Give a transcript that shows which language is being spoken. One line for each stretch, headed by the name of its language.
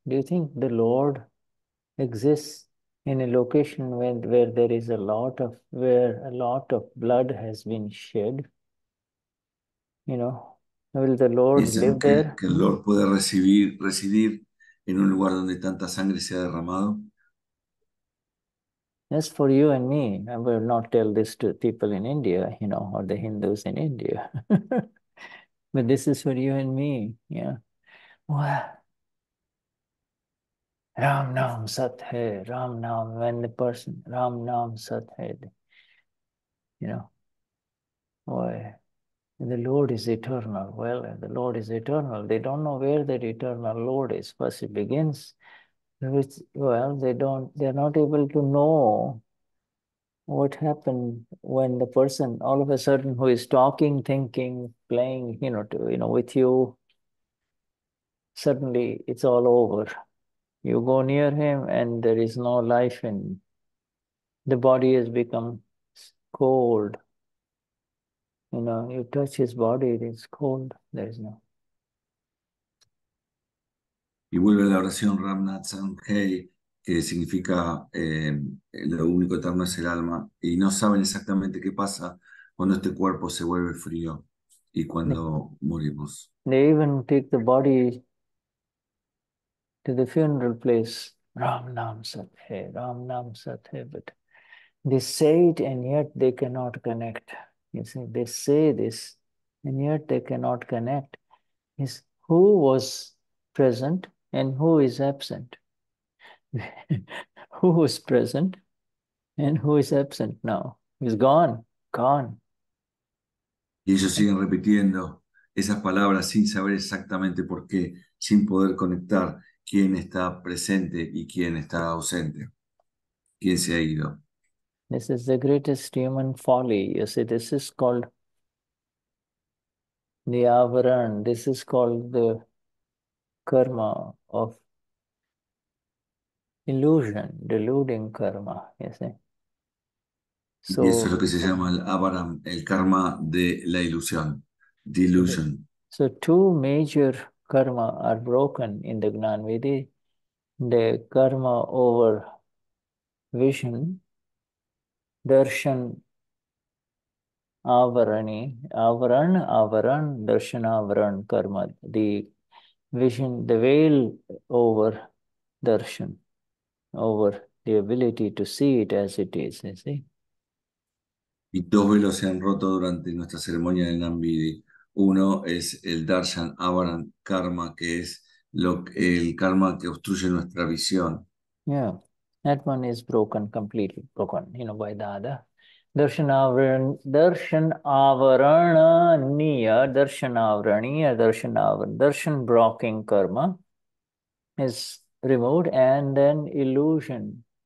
English: Do you think the Lord exists in a location where there is a lot of blood has been shed? You know, will the Lord live there?
Spanish: Que el Lord puede residir en un lugar donde tanta sangre se ha derramado.
English: That's for you and me. I will not tell this to people in India, you know, or the Hindus in India. But this is for you and me, yeah. Well,
Hindi: Ram Naam Sat Hai,
English: Ram Naam, when the person, Ram Naam Sat Hai, you know, boy, the Lord is eternal. Well, the Lord is eternal. They don't know where that eternal Lord is, first it begins. Well, they're not able to know what happened when the person, all of a sudden, who is talking, thinking, playing, you know, with you, suddenly it's all over. You go near him and there is no life in the body, has become cold. You know, you touch his body, it is cold. There is no.
Spanish: Y vuelve la oración Ramnat Sanghei, que significa lo único eterno es el alma. Y no saben exactamente qué pasa cuando este cuerpo se vuelve frío y cuando morimos.
English: They even take the body to the funeral place,
Hindi: Ram Naam Sat Hai, Ram Naam Sat Hai.
English: But they say it and yet they cannot connect. You see, they say this and yet they cannot connect. Is who was present and who is absent? Who was present and who is absent now? He's gone. gone.
Spanish: Y ellos siguen repitiendo esas palabras sin saber exactamente por qué, sin poder conectar quién está presente y quién está ausente, quién se ha ido.
English: This is the greatest human folly. You see, this is called the avaran. This is called the karma of illusion, deluding karma, you see.
Spanish: So, y eso es lo que se llama el avaram, el karma de la ilusión, delusion.
English: So two major karma are broken in the Gnanvidhi, the karma over vision, darshan avarani, avaran, avaran, darshan avaran karma, the vision, the veil over darshan, over the ability to see it as it is, you see.
Spanish: Y dos velos se han roto durante nuestra ceremonia de Gnanvidhi. Uno es el Darshan Avaran Karma, que es lo, el karma que obstruye nuestra visión.
English: Yeah, that one is broken, completely broken, you know, by the other. Darshan Avaran, Darshan Avarana Niya, Darshan Avaraniya, Darshan Avaran, Darshan Blocking Karma is removed, and then illusion.